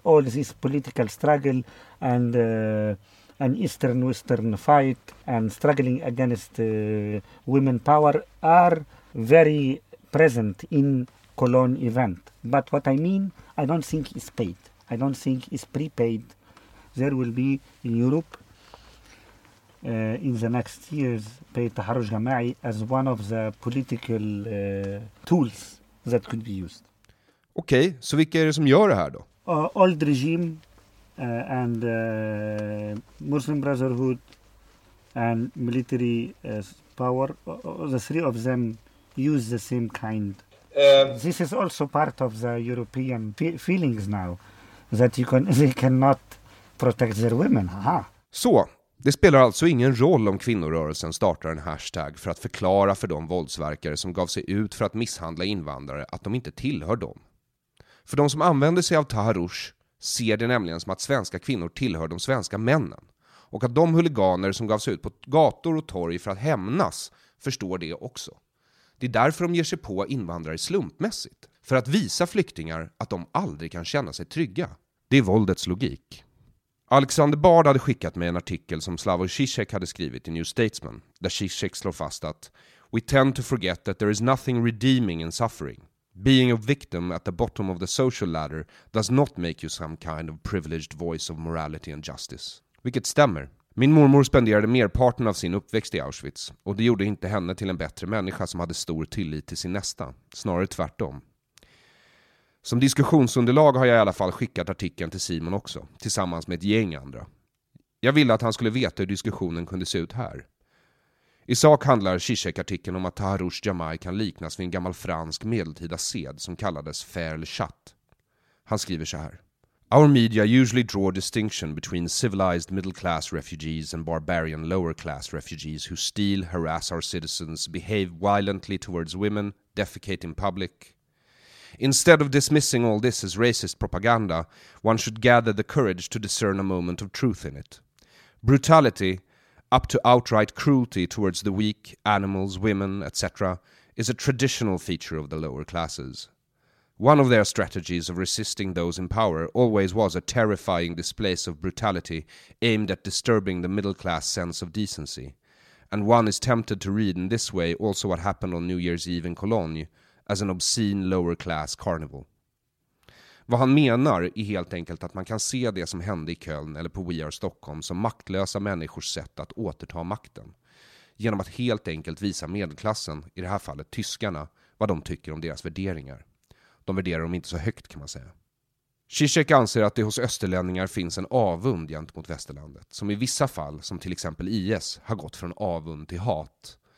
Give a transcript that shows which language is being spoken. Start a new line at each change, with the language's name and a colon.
English: All this political struggle and Eastern-Western fight and struggling against women power are very present in Cologne event. But what I mean, I don't think it's paid. I don't think it's prepaid. There will be in Europe in the next years pay Taharrush Jama'i as one of the political tools that could be used.
Swedish: Okej, så vilka är det som gör det här då?
English: Old regime and Muslim Brotherhood and military power, the three of them use the same kind. This is also part of the European feelings now, that they cannot protect their women. Aha.
Swedish: Så, det spelar alltså ingen roll om kvinnorörelsen startar en hashtag för att förklara för de våldsverkare som gav sig ut för att misshandla invandrare att de inte tillhör dem. För de som använder sig av Taharrush ser det nämligen som att svenska kvinnor tillhör de svenska männen. Och att de huliganer som gav sig ut på gator och torg för att hämnas förstår det också. Det är därför de ger sig på invandrare slumpmässigt. För att visa flyktingar att de aldrig kan känna sig trygga. Det är våldets logik. Alexander Bard hade skickat mig en artikel som Slavoj Žižek hade skrivit i New Statesman. Där Žižek slår fast att
English: "We tend to forget that there is nothing redeeming in suffering. Being a victim at the bottom of the social ladder does not make you some kind of privileged voice of morality and justice."
Swedish: Vilket stämmer. Min mormor spenderade merparten av sin uppväxt i Auschwitz och det gjorde inte henne till en bättre människa som hade stor tillit till sin nästa. Snarare tvärtom. Som diskussionsunderlag har jag i alla fall skickat artikeln till Simon också, tillsammans med ett gäng andra. Jag ville att han skulle veta hur diskussionen kunde se ut här. I sak handlar Žižek-artikeln om att Taharrush Jamai kan liknas vid en gammal fransk medeltida sed som kallades faire le chat. Han skriver så här:
English: "Our media usually draw a distinction between civilized middle-class refugees and barbarian lower-class refugees who steal, harass our citizens, behave violently towards women, defecate in public. Instead of dismissing all this as racist propaganda, one should gather the courage to discern a moment of truth in it. Brutality, up to outright cruelty towards the weak, animals, women, etc., is a traditional feature of the lower classes. One of their strategies of resisting those in power always was a terrifying display of brutality aimed at disturbing the middle class sense of decency. And one is tempted to read in this way also what happened on New Year's Eve in Cologne as an obscene lower class carnival."
Swedish: Vad han menar är helt enkelt att man kan se det som hände i Köln eller på We Are Stockholm som maktlösa människors sätt att återta makten. Genom att helt enkelt visa medelklassen, i det här fallet tyskarna, vad de tycker om deras värderingar. De värderar dem inte så högt, kan man säga. Žižek anser att det hos österlänningar finns en avund gentemot västerlandet, som i vissa fall, som till exempel IS, har gått från avund till hat.